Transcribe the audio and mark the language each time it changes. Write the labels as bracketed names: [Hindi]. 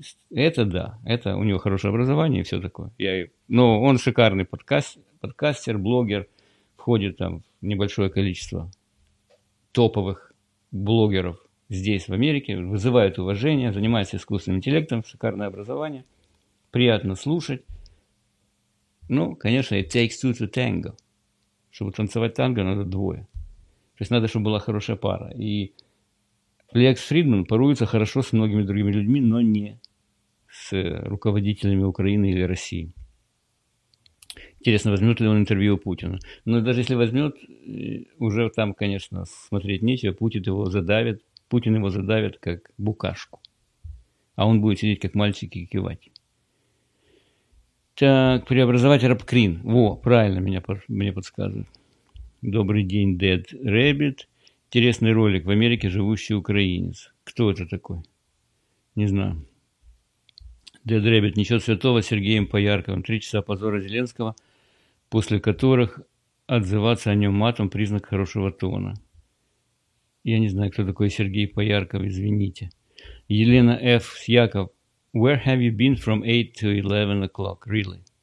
[Russian] Это да, это у него хорошее образование и все такое. Но он шикарный подкастер, блогер, входит там в небольшое количество топовых блогеров здесь, в Америке, вызывает уважение, занимается искусственным интеллектом, шикарное образование, приятно слушать. Ну, конечно, [English] it takes two to tango. [Russian] Чтобы танцевать танго, надо двое. То есть надо, чтобы была хорошая пара. И Лекс Фридман паруется хорошо с многими другими людьми, но не с руководителями Украины или России. Интересно, возьмет ли он интервью у Путина. Но даже если возьмет, уже там, конечно, смотреть нечего. Путин его задавит, как букашку. А он будет сидеть, как мальчик, и кивать. Так, преобразовать Рапкрин. Во, правильно мне подсказывают. Добрый день, Dead Rabbit. Интересный ролик. В Америке живущий украинец. Кто это такой? Не знаю. Дед Ребят, ничего святого, Сергеем Поярковым. 3 часа позора Зеленского, после которых отзываться о нем матом – признак хорошего тона. Я не знаю, кто такой Сергей Поярков, извините. Елена Ф. Яков. [English] Where have you been from 8 to 11 o'clock, really?